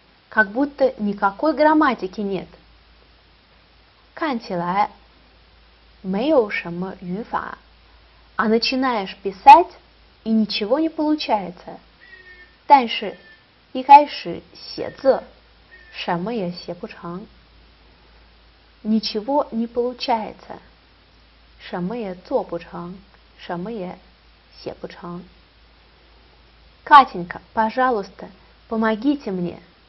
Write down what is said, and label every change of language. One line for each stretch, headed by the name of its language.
Russian: Как будто никакой грамматики нет.
Chinese: 看起来没有什么语法.
Russian: А начинаешь писать, и ничего не получается.
Chinese: 但是一开始写字, 什么也写不成.
Russian: Ничего не получается.
Chinese: 什么也做不成, 什么也写不成.
Russian: Катенька, пожалуйста, помогите мне.